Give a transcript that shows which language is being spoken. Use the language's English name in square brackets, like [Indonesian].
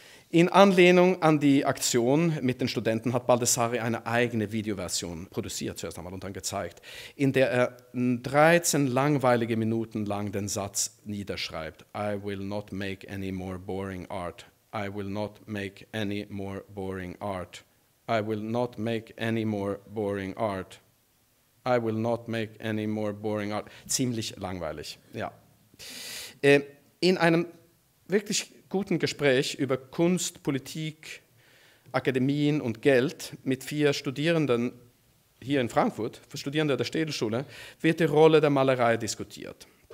[German] In Anlehnung an die Aktion mit den Studenten hat Baldessari eine eigene Videoversion produziert, zuerst einmal und dann gezeigt, in der er 13 langweilige Minuten lang den Satz niederschreibt: [English] I will not make any more boring art. I will not make any more boring art. I will not make any more boring art. I will not make any more boring art. [German] Ziemlich langweilig, ja. In einem wirklich guten Gespräch über Kunst, Politik, Akademien und Geld mit vier Studierenden hier in Frankfurt, Studierende der Städelschule, wird die Rolle der Malerei diskutiert.